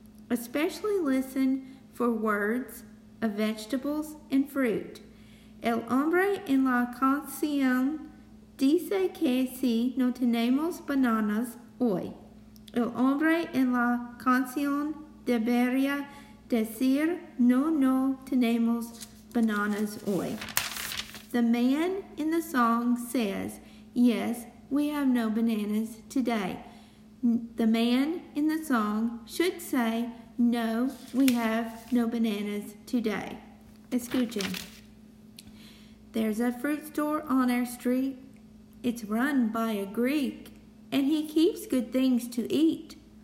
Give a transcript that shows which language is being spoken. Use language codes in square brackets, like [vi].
[en] Especially listen for words of vegetables and fruit. [es] El hombre en la canción dice que si no tenemos bananas hoy. El hombre en la canción debería decir no tenemos bananas hoy. [en] The man in the song says, yes, we have no bananas today. The man in the song should say, no, we have no bananas today. [es] Escuchen. [en] There's a fruit store on our street. It's run by a Greek, and he keeps good things to eat.